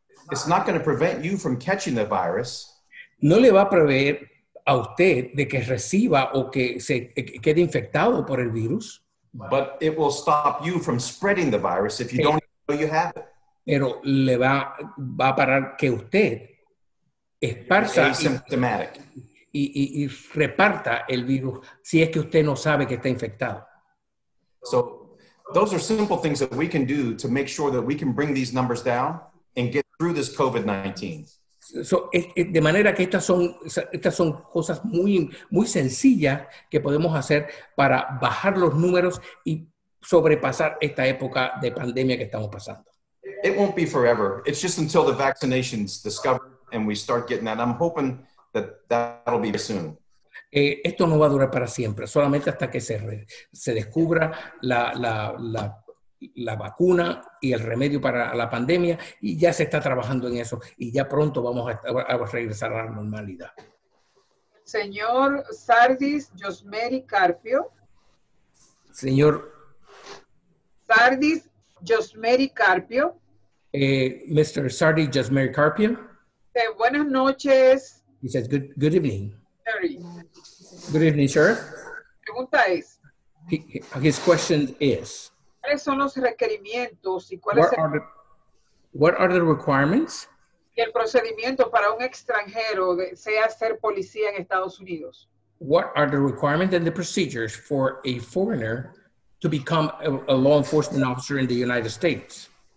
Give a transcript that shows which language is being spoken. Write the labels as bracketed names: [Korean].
[English] It's not going to prevent you from catching the virus. [Spanish] No le va a prever a usted de que reciba o que se quede infectado por el virus. [English] But it will stop you from spreading the virus if you don't know you have it. [Spanish] Pero le va a parar que usted esparza y reparta el virus si es que usted no sabe que está infectado. [English] So those are simple things that we can do to make sure that we can bring these numbers down and get through this COVID-19. [Spanish] So, de manera que estas son cosas muy, muy sencillas que podemos hacer para bajar los números y sobrepasar esta época de pandemia que estamos pasando. [English] It won't be forever. It's just until the vaccination's discovered and we start getting that. I'm hoping that that'll be soon. [Spanish] Esto no va a durar para siempre, solamente hasta que se descubra la vacuna y el remedio para la pandemia, y ya se está trabajando en eso, y ya pronto vamos a regresar a la normalidad. Señor Sardis Yosmeri Carpio. Señor Sardis Yosmeri Carpio. [English] Mr. Sardis Yosmeri Carpio. [Spanish] Buenas noches. [English] He says, good evening. Sorry. Good evening, Sheriff. [Spanish] Pregunta es, [English] his question is, [Spanish] ¿cuáles son los requerimientos y cuáles son [English] what are the requirements? [Spanish] Y el procedimiento para un extranjero sea ser policía en Estados Unidos. [English] What are the requirements and the procedures for a foreigner to become a law enforcement officer in the United States?